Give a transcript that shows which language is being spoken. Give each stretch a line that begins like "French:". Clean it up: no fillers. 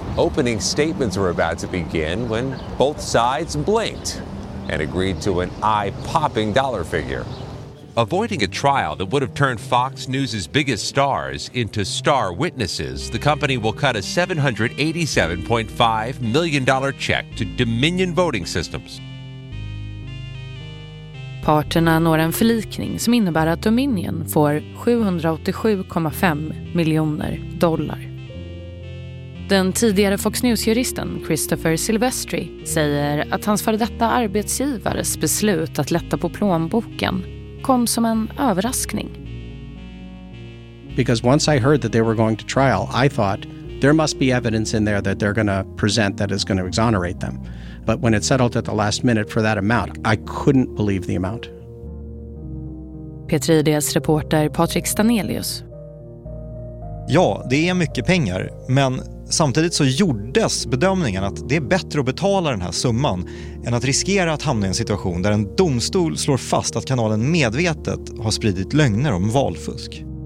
English: Opening statements were about to begin when both sides blinked and agreed to an eye-popping dollar figure. Avoiding a trial that would have turned Fox News's biggest stars into star witnesses, the company will cut a $787.5 million check to Dominion Voting Systems.
Swedish: Parterna når en förlikning som innebär att Dominion får $787.5 million. Den tidigare Fox News-juristen Christopher Silvestri säger att hans före detta arbetsgivares beslut att lätta på plånboken kom som en överraskning.
English: Because once I heard that they were going to trial, I thought there must be evidence in there that they're going to present that is going to exonerate them. But when it settled at the last minute for that amount, I couldn't believe the amount.
Swedish: P3D:s reporter Patrik Stanelius. Ja, det är mycket pengar, men samtidigt så gjordes bedömningen att det är bättre att betala den här summan än att riskera att hamna i en situation där en domstol slår fast att kanalen medvetet har spridit lögner om valfusk.